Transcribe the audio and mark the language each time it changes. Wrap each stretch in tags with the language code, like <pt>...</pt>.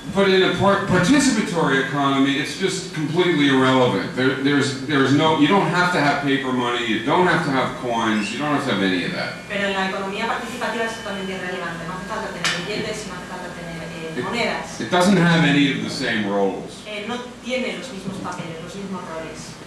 <en>But in a participatory economy, it's just completely irrelevant. There's no, you don't have to have paper money, you don't have to have coins, you don't have to have any of that.</en> <es>Pero en la economía participativa es totalmente irrelevante. No hace falta tener billetes, sino hace falta tener</es> <en>It doesn't have any of the same roles.</en> <es>No tiene los mismos papeles, los mismos roles.</es>